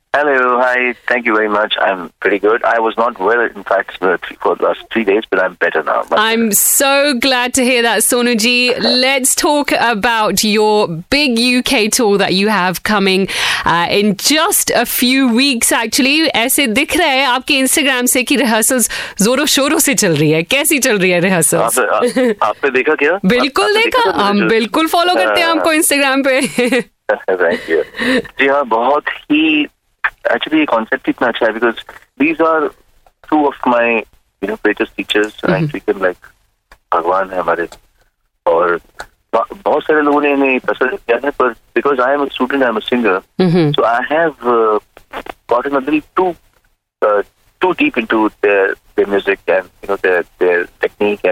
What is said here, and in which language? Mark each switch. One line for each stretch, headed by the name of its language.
English: Hello, hi, thank you very much. I'm pretty good. I was not well, in fact, for the last 3 days, but I'm better now. I'm so glad to hear that, Sonu ji. Let's talk about your big UK tour that you have coming in just a few weeks, actually.
Hindi: ऐसे दिख रहे है आपके Instagram से कि rehearsals ज़ोरो sorrow से चल रही है। कैसी चल रही है rehearsals? Aap pe dekha kya? बिल्कुल देखा। हम बिल्कुल फॉलो करते हैं आपको इंस्टाग्राम पे।
English: Thank you.
Hindi: Ji haan, bahut hi...
English: Actually, the concept is not shy because these are two of my, you know, greatest teachers. Mm-hmm. And I treat them like
Hindi: Bhagwan hai hamare. Aur bahut sare logon ne pasand kiya hai,
English: but because I am a student, I am a singer, so I have gotten a little too deep into their music and, you know, their technique.